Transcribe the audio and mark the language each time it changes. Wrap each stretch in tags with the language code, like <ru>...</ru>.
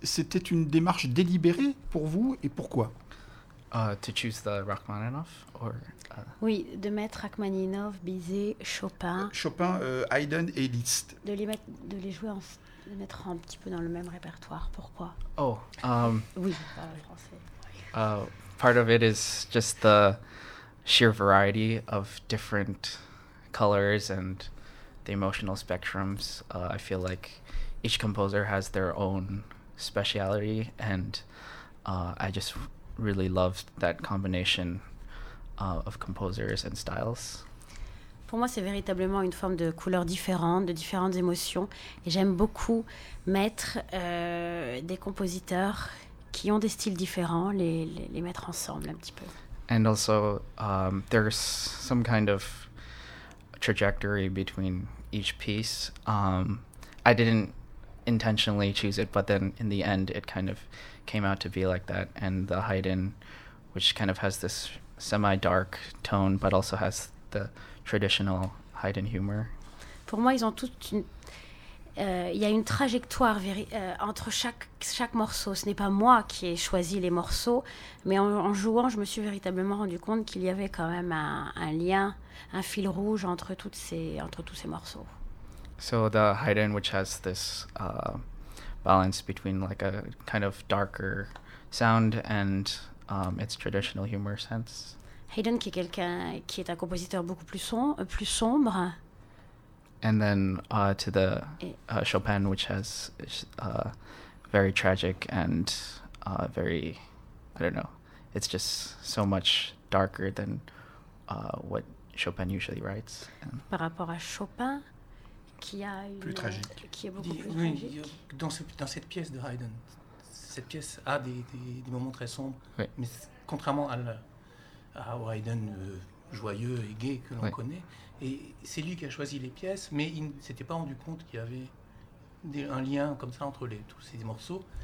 <fr>C'était une démarche délibérée pour vous, et pourquoi ?</fr> <en>To choose the Rachmaninoff, or</en> <fr>oui, de mettre Rachmaninoff, Bizet, Chopin. Chopin, Haydn et Liszt. De mettre un petit peu dans le même répertoire. Pourquoi? Oh. Oui, parle français.</fr> <en>Part of it is just the sheer variety of different colors and the emotional spectrums. I feel like each composer has their own speciality, and I just really loved that combination of composers and styles.</en> <fr>Pour moi, c'est véritablement une forme de couleur différente, de différentes émotions. Et j'aime beaucoup mettre des compositeurs qui ont des styles différents, les mettre ensemble un petit peu.</fr> <en>And also, there's some kind of trajectory between each piece. I didn't intentionally choose it, but then in the end, it kind of came out to be like that. And the Haydn, which kind of has this semi-dark tone, but also has the traditional Haydn humor.</en> <fr>Pour moi, ils ont toutes une. Il y a une trajectoire entre chaque morceau. Ce n'est pas moi qui ai choisi les morceaux, mais en jouant, je me suis véritablement rendu compte qu'il y avait quand même un lien, un fil rouge entre tous ces morceaux.</fr> <en>So the Haydn, which has this balance between like a kind of darker sound and its traditional humor sense.</en> <fr>Haydn, qui est un compositeur beaucoup plus sombre.</fr> <en>And then to the Chopin, which has very tragic and very, I don't know, it's just so much darker than what Chopin usually writes.</en> <fr>Par rapport à Chopin, qui a une, plus tragique. Qui est beaucoup plus tragique. Dans cette pièce de Haydn, cette pièce a des moments très sombres, oui. Mais contrairement à Haydn joyeux et gai que l'on oui. connaît, et c'est lui qui a choisi les pièces, mais il ne s'était pas rendu compte qu'il y avait un lien comme ça entre tous ces morceaux.</fr>